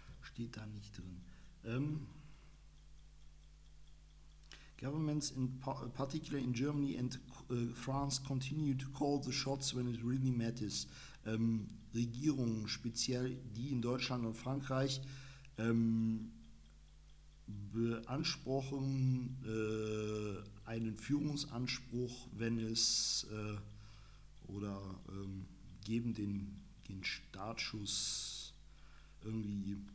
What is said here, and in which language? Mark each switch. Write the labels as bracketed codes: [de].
[de] steht da nicht drin. [en] Governments, in particular in Germany and France, continue to call the shots when it really matters. [de] Regierungen, speziell die in Deutschland und Frankreich, beanspruchen einen Führungsanspruch, wenn es oder geben den Startschuss irgendwie.